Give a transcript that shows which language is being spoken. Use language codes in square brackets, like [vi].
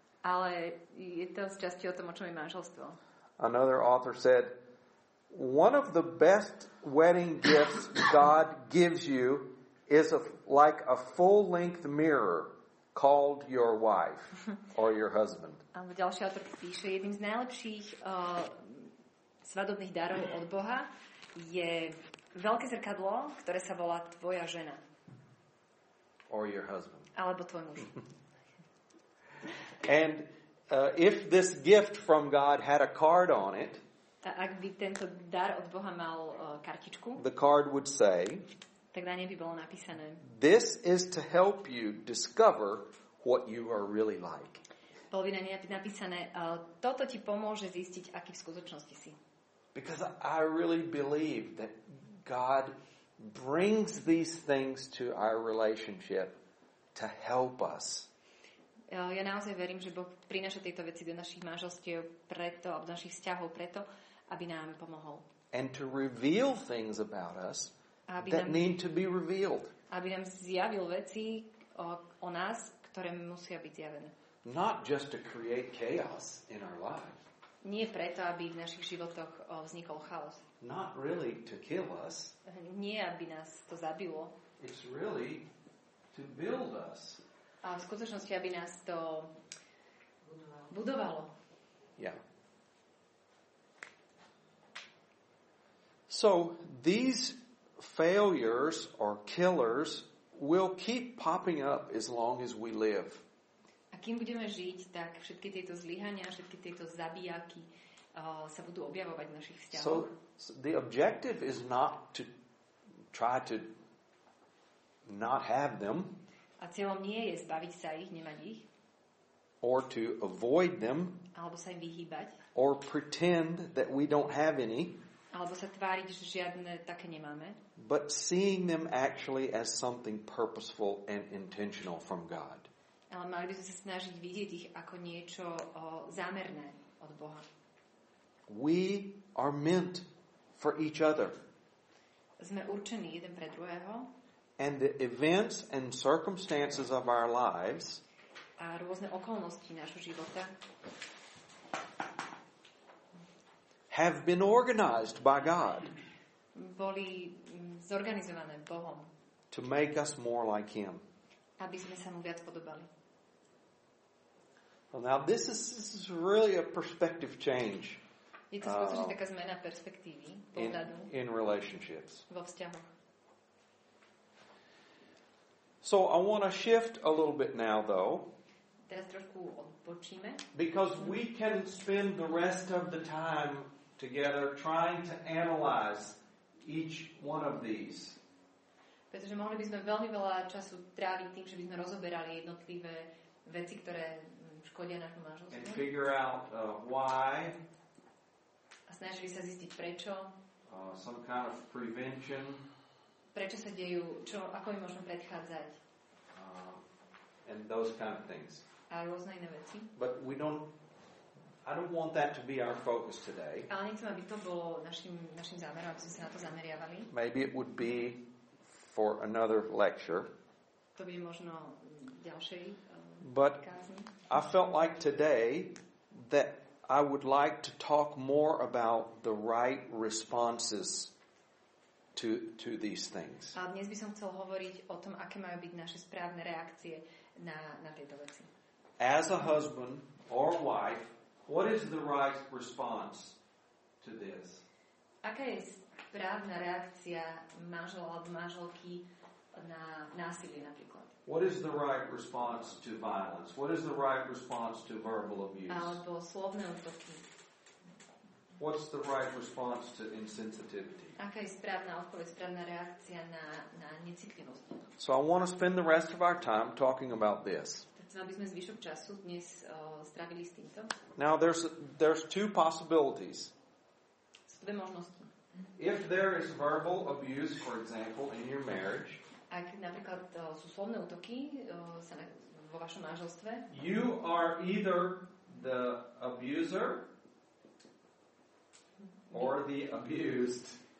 [sk] Ale je to z časti o tom, o čom je manželstvo. [en] Another author said, one of the best wedding gifts God gives you is like a full-length mirror called your wife or your husband. [sk] A ďalší autor píše, jedným z najlepších svadobných darov od Boha je veľké zrkadlo, ktoré sa volá tvoja žena. [en] Or your husband. [sk] Alebo tvoj muž. [en] And if this gift from God had a card on it, [sk] ak by tento dar od Boha mal kartičku, [en] the card would say, [sk] tak na nej by bolo napísané, [en] this is to help you discover what you are really like. [sk] Bolo by na nej napísané, toto ti pomôže zistiť, aký v skutočnosti si. [en] Because I really believe that God brings these things to our relationship to help us. [sk] Ja naozaj verím, že Boh prináša tieto veci do našich manželstiev preto, alebo do našich vzťahov preto, aby nám pomohol. [en] And to reveal things about us that need to be revealed. [sk] Aby nám zjavil veci o nás, ktoré musia byť zjavené. [en] Not just to create chaos in our lives. [sk] Nie preto, aby v našich životoch vznikol chaos. [en] Not really to kill us. [sk] Nie, aby nás to zabilo. [en] It's really to build us. [sk] A v skutočnosti, aby nás to budovalo. [en] Yeah. So, these failures or killers will keep popping up as long as we live. [sk] A kým budeme žiť, tak všetky tieto zlyhania, všetky tieto zabijáky sa budú objavovať v našich vzťahoch. [en] So, the objective is not to try to not have them. [sk] A cieľom nie je zbaviť sa ich, nemať ich. [en] Or to avoid them. [sk] Alebo sa im vyhýbať. [en] Or pretend that we don't have any. [sk] Alebo sa tváriť, že žiadne také nemáme. [en] But seeing them actually as something purposeful and intentional from God. [sk] Ale mali by sme sa snažiť vidieť ich ako niečo zámerné od Boha. [en] We are meant for each other. [sk] Sme určení jeden pre druhého. [en] And the events and circumstances of our lives, [sk] a rôzne okolnosti nášho života, [en] have been organized by God, [sk] boli zorganizované Bohom, [en] to make us more like Him, [sk] aby sme sa mu viac podobali. [en] Well, now this is really a perspective change. [sk] Je to skutočne taká zmena perspektívy, pohľadu [en] in relationships, [sk] vo vzťahoch. [en] So I want to shift a little bit now, though. [sk] Teraz trošku odpočíme. [en] Because we can spend the rest of the time together trying to analyze each one of these. [sk] Pretože mohli by sme veľmi veľa času tráviť tým, že by sme rozoberali jednotlivé veci, ktoré škodia nášmu manželstvu. [en] And figure out why. [sk] A snažili sa zistiť prečo. [en] Some kind of prevention. [sk] Prečo sa dejú, čo, ako im môžeme predchádzať. [en] And those kind of things. [sk] A rôzne iné veci. [en] But I don't want that to be our focus today. [sk] Ale nechcem, aby to bolo našim zámerom, aby sme sa na to zameriavali. [en] Maybe it would be for another lecture. [sk] To by možno ďalšej [en] but [sk] kázni. [en] I felt like today that I would like to talk more about the right responses to these things. [sk] A dnes by som chcel hovoriť o tom, aké majú byť naše správne reakcie na tieto veci. [en] As a husband or wife, what is the right response to this? [sk] Aká je správna reakcia manžela alebo manželky na násilie napríklad? [en] What is the right response to violence? What is the right response to verbal abuse? [sk] Alebo slovné útoky. [en] What's the right response to insensitivity? [sk] Aká je správna odpoveď, správna reakcia na necitlivosť? [en] So I want to spend the rest of our time talking about this. [sk] Chcel by sme zvyšok času dnes strávili s týmto. [en] Now there's two possibilities. [sk] Sú dve možnosti. [en] If there is verbal abuse, for example, in your marriage, [sk] ak napríklad sú slovné útoky vo vašom manželstve, [en] you are either the abuser or the abused.